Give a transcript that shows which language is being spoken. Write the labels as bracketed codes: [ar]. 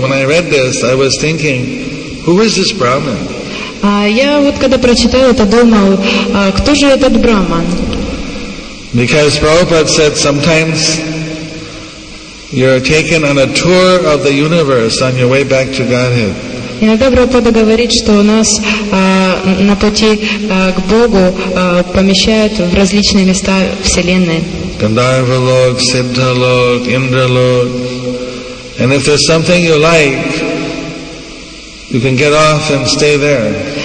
[en] When I read this, I was thinking, who is this Brahman? [ru] Я вот когда прочитал это, думал, кто же этот Брахман? [en] Because Prabhupada said sometimes you're taken on a tour of the universe on your way back to Godhead. [ru] Иногда Прабхупада говорит, что у нас на пути к Богу помещают в различные места Вселенной. [en] Gandharva Lok, Siddha Lok, Indra Lok. And if there's something you like, you can get off and stay there.